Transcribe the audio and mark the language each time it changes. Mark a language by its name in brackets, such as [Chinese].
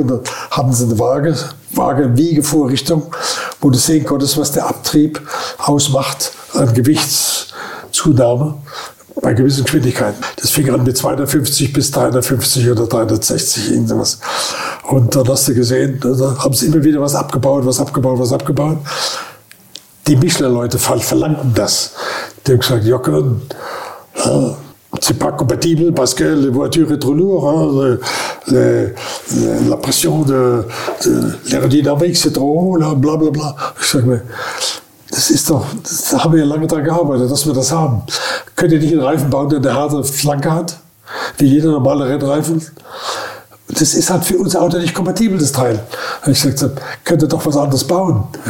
[German] Und dann hatten sie eine Waage, Wiegevorrichtung, wo du sehen konntest, was der Abtrieb ausmacht an Gewichtszunahme bei gewissen Geschwindigkeiten. Das fing an mit 250 bis 350 oder 360, irgendwas. Und dann hast du gesehen, da haben sie immer wieder was abgebaut. Die Michelin-Leute verlangten das. Die haben gesagt, [French] Jocke, c'est pas compatible, parce que les voitures sont trop lourdes, la pression de l'aérodynamique, c'est trop haut, bla bla bla. [German] Ich sag mir, das ist doch, da haben wir ja lange dran gearbeitet, dass wir das haben. Könnt ihr nicht einen Reifen bauen, der eine harte Flanke hat, wie jeder normale Rennreifen? Das ist halt für unser Auto nicht kompatibel, das Teil. Und ich sagte, könnt ihr doch was anderes bauen?